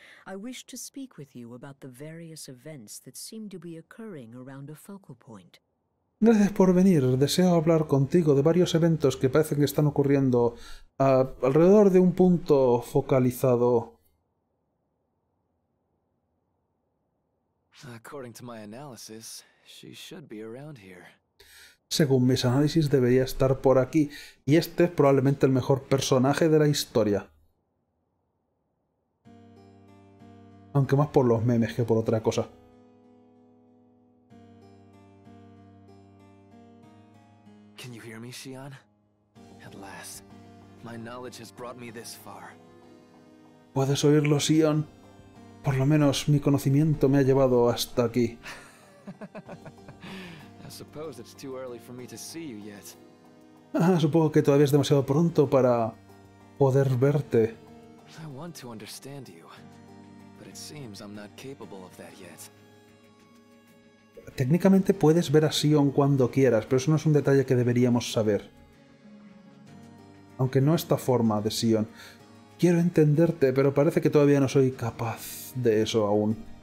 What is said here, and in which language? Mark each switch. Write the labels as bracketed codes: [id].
[en] I wish to speak with you about the various events that seem to be occurring around a focal point. [es] Gracias por venir. Deseo hablar contigo de varios eventos que parecen que están ocurriendo alrededor de un punto focalizado. [en] According to my analysis, she should be around here. [es] Según mis análisis, debería estar por aquí, y este es probablemente el mejor personaje de la historia. Aunque más por los memes que por otra cosa. [en] Can you hear me, Xian? At last, my knowledge has brought me this far. [es] ¿Puedes oírlo, Xian? Por lo menos mi conocimiento me ha llevado hasta aquí. [en] I suppose it's too early for me to see you yet. [es] Ah, supongo que todavía es demasiado pronto para poder verte. [en] I want to understand you. But it seems I'm not capable of that yet. [es] Técnicamente puedes ver a Xion cuando quieras, pero eso no es un detalle que deberíamos saber. Aunque no esta forma de Xion. Quiero entenderte, pero parece que todavía no soy capaz de eso aún.